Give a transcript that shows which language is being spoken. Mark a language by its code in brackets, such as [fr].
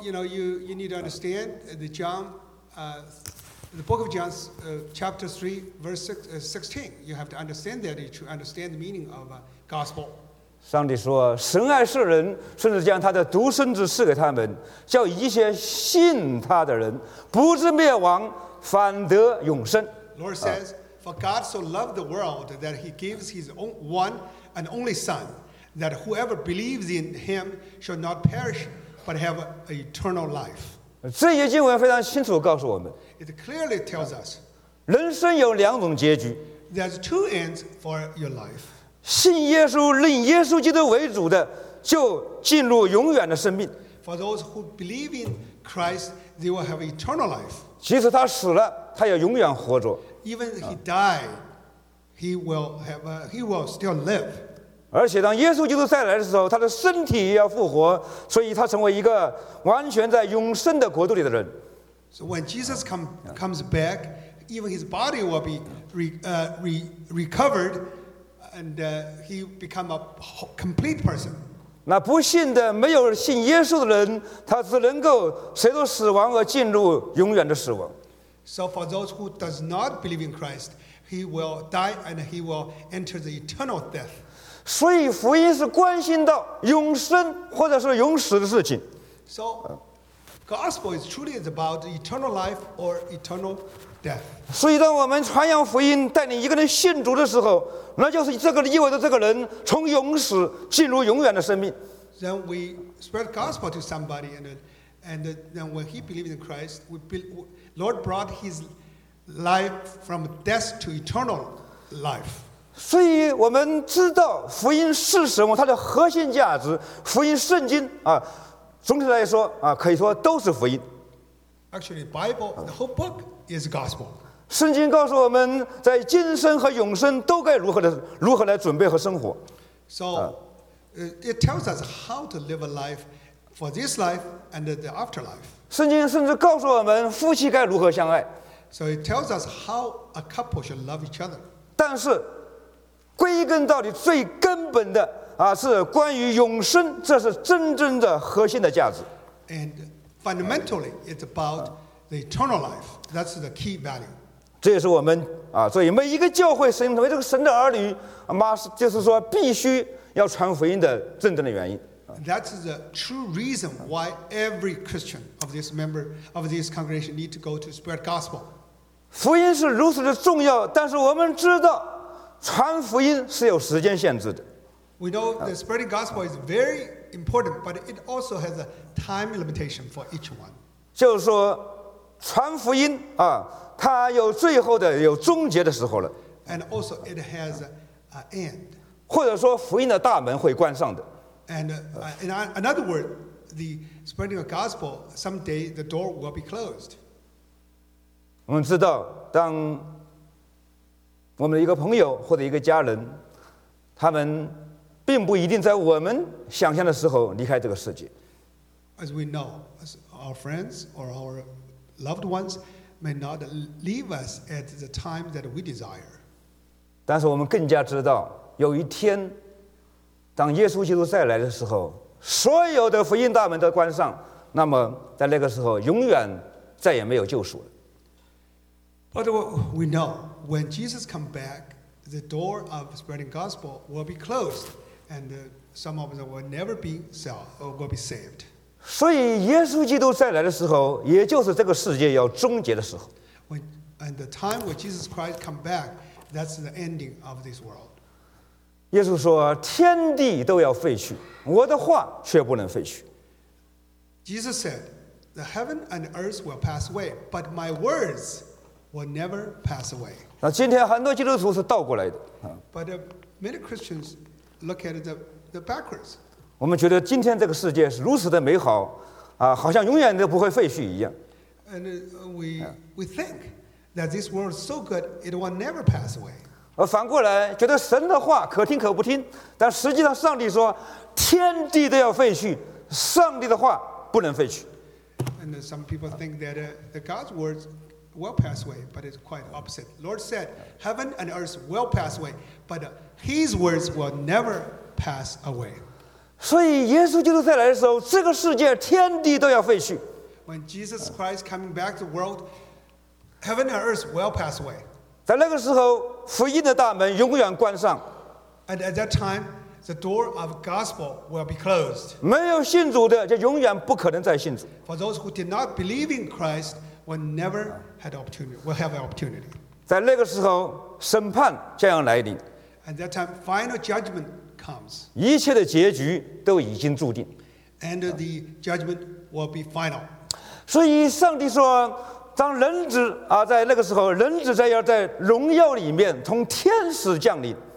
[en] you know you need to understand the John, the book of John, chapter 3:16. You have to understand that to understand the meaning of gospel. [zh] 上帝说，神爱世人，甚至将他的独生子赐给他们，叫一切信他的人不至灭亡，反得永生。 [en] Lord says. For God so loved the world that he gives his one and only Son, that whoever believes in him shall not perish, but have an eternal life. [zh] 这些经文非常清楚地告诉我们 [en] ，It clearly tells us， [zh] 人生有两种结局。 [en] There's two ends for your life。 [zh] 信耶稣，认耶稣基督为主的，就进入永远的生命。 [en] For those who believe in Christ, they will have eternal life。 [zh] 即使他死了，他也永远活着。 [en] Even if he died, he will still live。 [zh] 而且当耶稣基督再来的时候，他的身体也要复活，所以他成为一个完全在永生的国度里的人。 [en] So when Jesus comes back, even his body will be recovered, and he become a complete person. [zh] 那不信的，没有信耶稣的人，他只能够随着死亡而进入永远的死亡。 [en] So for those who does not believe in Christ, he will die and he will enter the eternal death. [zh] 所以福音是关心到永生或者是永死的事情。 [en] So gospel is truly about eternal life or eternal death. [zh] 所以当我们传扬福音，带领一个人信主的时候，那就是这个意味着这个人从永死进入永远的生命。 [en] Then we spread gospel to somebody, and then when he believes in Christ, Lord brought his life from death to eternal life. [zh] 所以我们知道福音是什么，它的核心价值，福音圣经啊，总体来说啊，可以说都是福音。 [en] Actually, Bible, the whole book is gospel. [zh] 圣经告诉我们在今生和永生都该如何来准备和生活。 [en] So, it tells us how to live a life for this life and the afterlife. [zh] 圣经甚至告诉我们夫妻该如何相爱。 [en] So it tells us how a couple should love each other. [zh] 但是归根到底最根本的啊，是关于永生，这是真正的核心的价值。 [en] And fundamentally, it's about the eternal life. That's the key value. [zh] 这也是我们啊，所以每一个教会神，为这个神的儿女，妈就是说必须要传福音的真正的原因。 [en] That's the true reason why every Christian of this member of this congregation need to go to spread gospel. [zh] 福音是如此的重要，但是我们知道传福音是有时间限制的。 [en] We know that spreading gospel is very important, but it also has a time limitation for each one. [zh] 就是说，传福音啊，它有最后的、有终结的时候了。 [en] And also, it has an end. [zh] 或者说，福音的大门会关上的。 [en] And in another word, the spreading of gospel, someday the door will be closed. [zh] 我们知道，当我们的一个朋友或者一个家人，他们并不一定在我们想象的时候离开这个世界。 [en] As we know, our friends or our loved ones may not leave us at the time that we desire. [zh] 但是我们更加知道，有一天当耶稣基督再来的时候，所有的福音大门都关上，那么在那个时候，永远再也没有救赎了。 [en] But we know when Jesus comes back, the door of spreading gospel will be closed, and some of them will never be saved. [zh] 所以耶稣基督再来的时候，也就是这个世界要终结的时候。 [en] And the time when Jesus Christ comes back, that's the ending of this world. [zh] 耶稣说：“天地都要废去，我的话却不能废去。” [en] Jesus said, "The heaven and earth will pass away, but my words will never pass away." [zh] 那今天很多基督徒是倒过来的。 [en] But many Christians look at the backwards. [zh] 我们觉得今天这个世界是如此的美好，啊，好像永远都不会废去一样。 [en] And we think that this world is so good, it will never pass away. [zh] 而反过来觉得神的话可听可不听，但实际上上帝说天地都要废去，上帝的话不能废去。 [en] And some people think that God's words will pass away, but it's quite opposite. Lord said heaven and earth will pass away, but his words will never pass away. [zh] 所以耶稣基督再来的时候，这个世界天地都要废去。 [en] When Jesus Christ coming back to the world, heaven and earth will pass away. [zh] 在那个时候，福音的大门永远关上。 [en] And at that time, the door of gospel will be closed. [zh] 没有信主的就永远不可能再信主。 [en] For those who did not believe in Christ will never had opportunity, will have an opportunity. [zh] 在那个时候，审判将要来临。 [en] And at that time, final judgment comes. [zh] 一切的结局都已经注定。 [en] And the judgment will be final. [zh] 所以上帝说，当人子啊，在那个时候，人子在要在荣耀里面从天使降临。